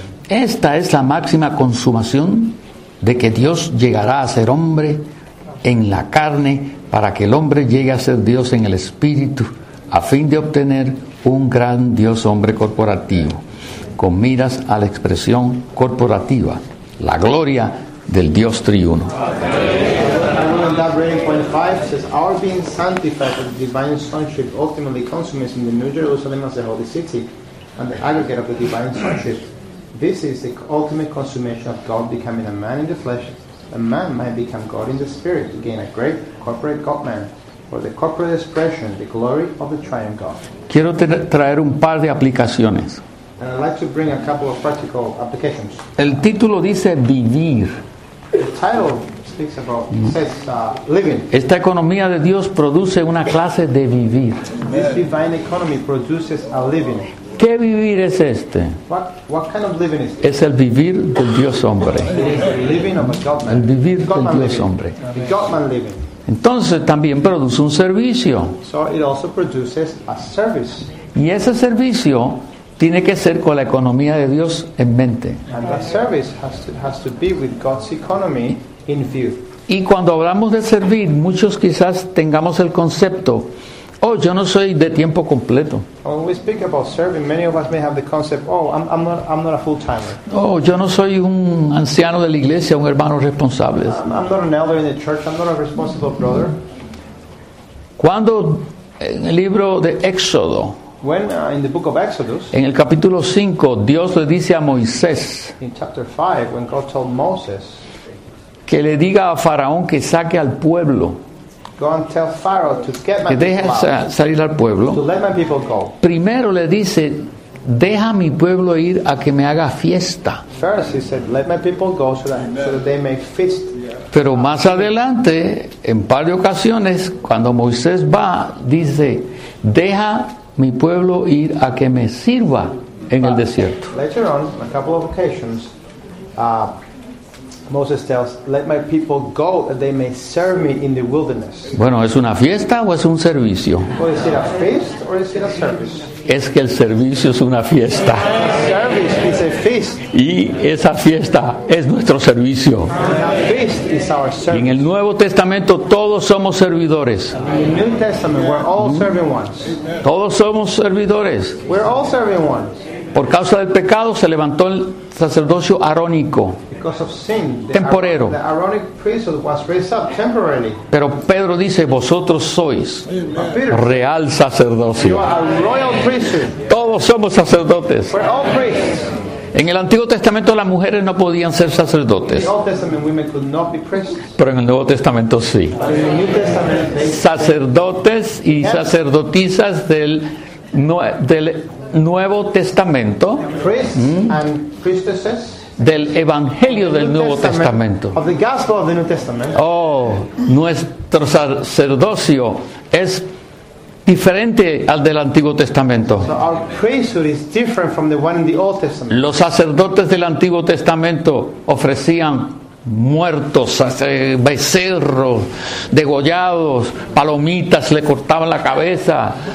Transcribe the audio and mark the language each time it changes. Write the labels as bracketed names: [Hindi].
[Spanish] Esta es la máxima consumación de que Dios llegará a ser hombre en la carne para que el hombre llegue a ser Dios en el espíritu a fin de obtener un gran Dios hombre corporativo. Con miras a la expresión corporativa, la gloria del Dios triuno. [English] And that reading point 5 says, our being sanctified by the divine sonship ultimately consummates in the New Jerusalem as the holy city and the aggregate of the divine sonship. This is the ultimate consummation of God becoming a man in the flesh, a man might become God in the spirit to gain a great corporate God-man. For the corporate expression, the glory of the triune God. [Spanish] Quiero traer un par de aplicaciones. [English] And I'd like to bring a couple of practical applications. [Spanish] El título dice vivir. [English] The title speaks about, says living. [Spanish] Esta economía de Dios produce una clase de vivir. [English] This divine economy produces a living. [Spanish] ¿Qué vivir es este? [English] What kind of living is this? [Spanish] Es el vivir del Dios hombre. [English] It is the living of a God-man. [Spanish] El vivir God-man del Dios living. Hombre. [English] The God-man living. [Spanish] Entonces también produce un servicio. [English] So it also produces a service. [Spanish] Y ese servicio tiene que ser con la economía de Dios en mente. [English] And that service has to be with God's economy in view. [Spanish] Y cuando hablamos de servir, muchos quizás tengamos el concepto, oh, yo no soy de tiempo completo. [English] When we speak about serving, many of us may have the concept, oh, I'm not a full-timer. [Spanish] Oh, yo no soy un anciano de la iglesia, un hermano responsable. [English] I'm not an elder in the church, I'm not a responsible brother. [Spanish] Cuando en el libro de Éxodo, [English] In the book of Exodus, [Spanish] en el capítulo 5, Dios le dice a Moisés, [English] in chapter 5, when God told Moses, [Spanish] que le diga a Faraón que saque al pueblo, [English] go and tell Pharaoh to get my [Spanish] que deje [English] people out, [Spanish] salir al pueblo, [English] to let my people go. [Spanish] Primero le dice, deja a mi pueblo ir a que me haga fiesta. [English] First he said, let my people go so that they may feast. [Spanish] Pero más adelante, en par de ocasiones, cuando Moisés va, dice, deja mi pueblo ir a que me sirva en el desierto. [English] Later on, a couple of occasions, Moses tells, let my people go that they may serve me in the wilderness. [Spanish] Bueno, ¿es una fiesta o es un servicio? [English] Well, is it a feast or is it a service? [Spanish] Es que el servicio es una fiesta. [English] Service is a feast. [Spanish] Y esa fiesta es nuestro servicio. [English] And a feast is our service. [Spanish] Y en el Nuevo Testamento todos somos servidores. [English] In the New Testament, we're all serving ones. [Spanish] Todos somos servidores. [English] We're all serving ones. [Spanish] Por causa del pecado se levantó el sacerdocio arónico. [English] Because of sin, [Spanish] temporero. [English] The Aaronic priesthood was raised up temporarily. [Spanish] Pero Pedro dice, vosotros sois real sacerdocio. [English] You are a royal priesthood. [Spanish] Todos somos sacerdotes. [English] We're all priests. [Spanish] En el Antiguo Testamento las mujeres no podían ser sacerdotes. [English] In the Old Testament, women could not be priests. [Spanish] Pero en el Nuevo Testamento sí. [English] In the New Testament, [Spanish] sacerdotes y sacerdotisas del Nuevo Testamento, [English] and priestesses, [Spanish] del Evangelio del Nuevo Testamento. [English] Of the Gospel of the New Testament. [Spanish] Oh, nuestro sacerdocio es diferente al del Antiguo Testamento. [English] So our priesthood is different from the one in the Old Testament. [Spanish] Los sacerdotes del Antiguo Testamento ofrecían muertos, becerros, degollados, palomitas, le cortaban la cabeza.